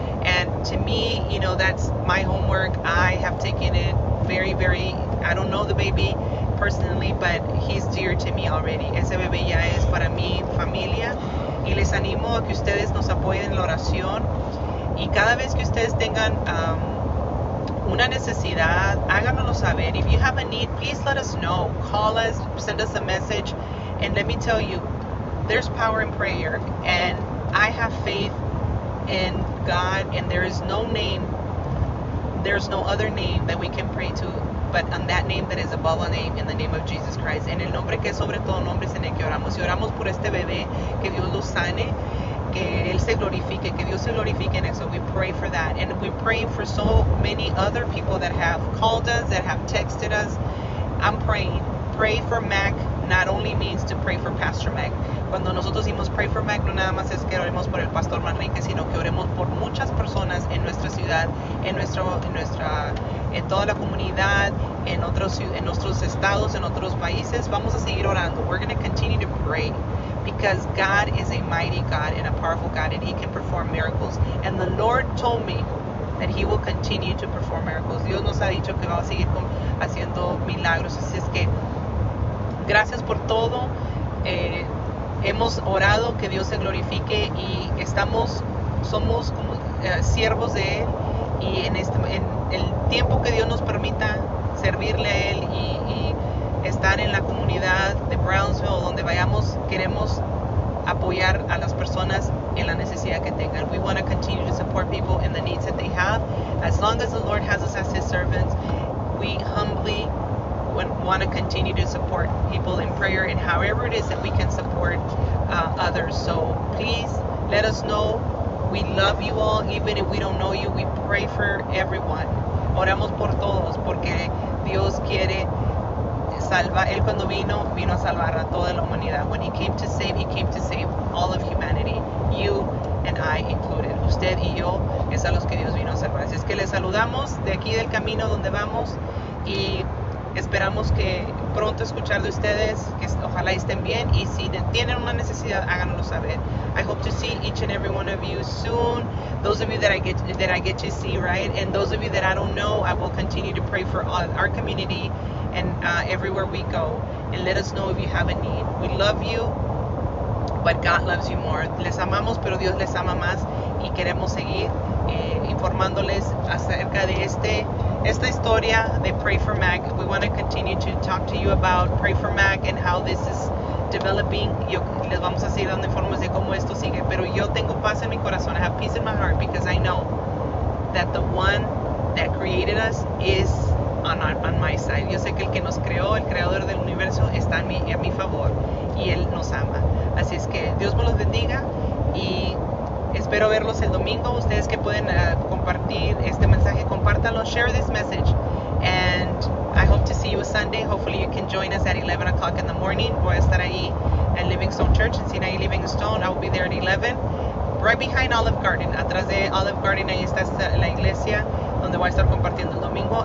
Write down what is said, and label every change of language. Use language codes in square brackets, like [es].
[en] And to me, you know, that's my homework. I have taken it very, very, I don't know the baby personally, but he's dear to me already. [es] Ese bebé ya es para mi familia. Y les animo a que ustedes nos apoyen en la oración. Y cada vez que ustedes tengan una necesidad, háganoslo saber. [en] If you have a need, please let us know. Call us, send us a message. And let me tell you, there's power in prayer. And I have faith in God, and there is no name, there's no other name that we can pray to, but on that name that is above all name, in the name of Jesus Christ. [es] En el nombre que es sobre todo nombre, es en el que oramos. Y oramos por este bebé, que Dios lo sane, que él se glorifique, que Dios se glorifique en eso. [en] We pray for that. And we pray for so many other people that have called us, that have texted us. I'm praying. Pray for Mac. Not only means to pray for Pastor Mac. [es] Cuando nosotros decimos [en] pray for Mac, [es] no nada más es que oremos por el Pastor Manrique, sino que oremos por muchas personas en nuestra ciudad, en toda la comunidad, en otros estados, en otros países. Vamos a seguir orando. [en] We're going to continue to pray because God is a mighty God and a powerful God, and He can perform miracles. And the Lord told me that He will continue to perform miracles. [es] Dios nos ha dicho que va a seguir haciendo milagros. Así es que gracias por todo. Hemos orado que Dios se glorifique, y somos como siervos de Él, y en el tiempo que Dios nos permita servirle a Él y estar en la comunidad de Brownsville, donde vayamos, queremos apoyar a las personas en la necesidad que tengan. [en] We want to continue to support people in the needs that they have. As long as the Lord has us as His servants, we humbly want to continue to support people in prayer, and however it is that we can support others. So please let us know. We love you all. Even if we don't know you, we pray for everyone. [es] Oramos por todos, porque Dios quiere salvar. Él cuando vino a salvar a toda la humanidad. [en] When he came to save all of humanity, you and I included. [es] Usted y yo es a los que Dios vino a salvar. Así es que les saludamos de aquí del camino donde vamos, y esperamos que pronto escuchar de ustedes, que ojalá estén bien, y si tienen una necesidad, háganlo saber. [en] I hope to see each and every one of you soon. Those of you that I get to see, right? And those of you that I don't know, I will continue to pray for our community and everywhere we go. And let us know if you have a need. We love you, but God loves you more. [es] Les amamos, pero Dios les ama más, y queremos seguir informándoles acerca de esta historia de Pray for Mac. [en] We want to continue to talk to you about Pray for Mac and how this is developing. [es] Les vamos a seguir dando informes de cómo esto sigue, pero yo tengo paz en mi corazón. [en] I have peace in my heart because I know that the one that created us is on my side. [es] Yo sé que el que nos creó, el creador del universo, está a mi favor, y él nos ama. Así es que Dios me los bendiga, y espero verlos el domingo. Ustedes que pueden compartir este mensaje, compártalo, [en] share this message. And I hope to see you Sunday. Hopefully you can join us at 11 o'clock in the morning. [es] Voy a estar ahí en Livingstone Church, en Sinai Livingstone. [en] I will be there at 11, right behind Olive Garden. [es] Atrás de Olive Garden, ahí está la iglesia donde voy a estar compartiendo el domingo.